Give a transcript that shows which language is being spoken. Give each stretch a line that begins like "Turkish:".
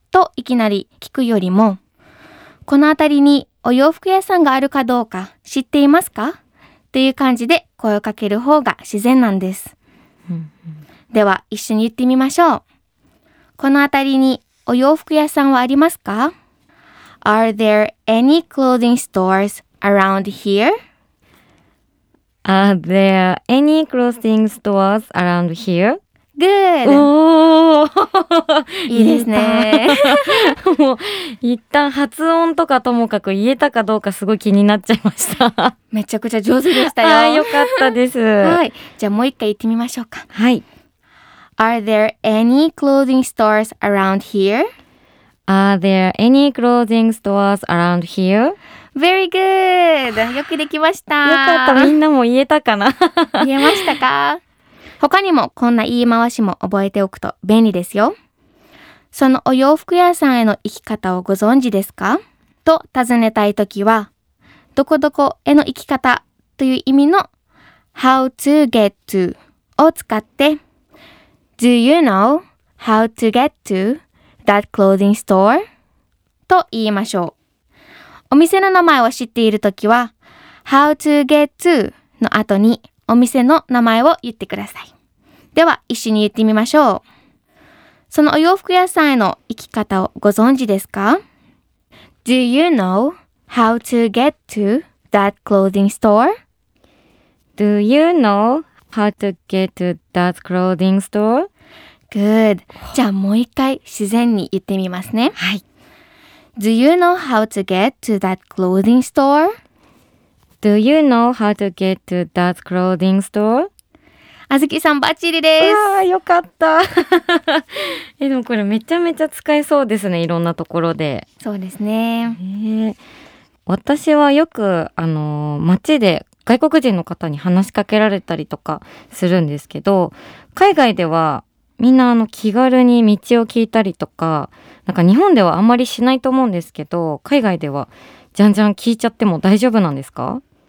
Japanese: といきなり聞くよりも、このあたりにお洋服屋さんがあるかどうか知っていますか？っていう感じで声をかける方が自然なんです。では一緒に言ってみましょう。この辺りにお洋服屋さんはありますか？
English: Are there any clothing stores around here? Are there any clothing stores around here? Good! お
Japanese: いいですね。もう一旦発音とかともかく言えたかどうかすごい気になっちゃいました。めちゃくちゃ上手でしたよ。あ、よかったです。はい。じゃあもう一回言ってみましょうか。はい。
English: Are there any clothing stores around here? Are there any clothing stores around here? Very good!
Japanese: よくできました。よかった、みんなも言えたかな。言えましたか？他にもこんな言い回しも覚えておくと便利ですよ。そのお洋服屋さんへの行き方をご存知ですか？と尋ねたいときは、どこどこへの行き方という意味の How to get to を使って、
English: Do you know how to get to that clothing store?
Japanese: と言いましょう。お店の名前を知っているときは、how to get to の後にお店の名前を言ってください。では、一緒に言ってみましょう。そのお洋服屋さんへの行き方をご存知ですか?
English: Do you know how to get to that clothing store? Do you know how to get to that clothing store? Good.
Japanese: じゃあもう一回自然に言ってみますね。はい。
English: Do you know how to get to that clothing store? Do you know how to get to that clothing store?
Japanese: あずきさん、バッチリです。ああ、よかった。でもこれめちゃめちゃ使えそうですね、いろんなところで。そうですね。私はよく街で外国人の方に話しかけられたりとかするんですけど、海外ではみんな気軽に道を聞いたりとか、なんか日本ではあんまりしないと思うんですけど、海外ではじゃんじゃん聞いちゃっても大丈夫なんですか？